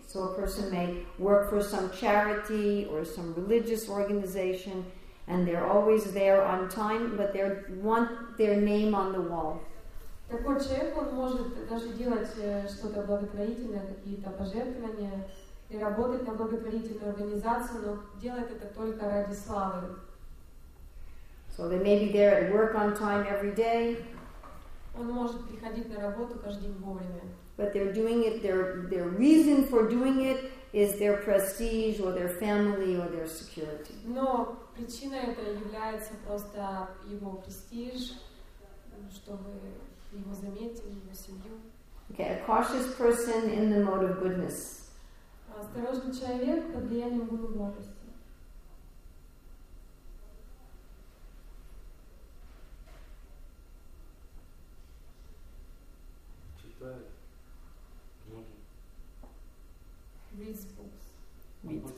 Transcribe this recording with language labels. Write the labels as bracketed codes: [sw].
[en] So a person may work for some charity or some religious organization, and they're always there on time, but they want their name on the wall. [ru] Такой человек, он может даже делать что-то благотворительное, какие-то пожертвования, и работать на благотворительную организацию, но делать это только ради славы. [en] So they may be there at work on time every day. [ru] Он может приходить на работу каждый день вовремя. [en] But they're doing it, their reason for doing it is their prestige or their family or their security. [ru] Но причина это является просто его престиж, чтобы... Его заметили, его семью. [en] Okay, a cautious person in the mode of goodness. [ru] Осторожный человек под влиянием гуны благости. Читает книги. [en] Reads books.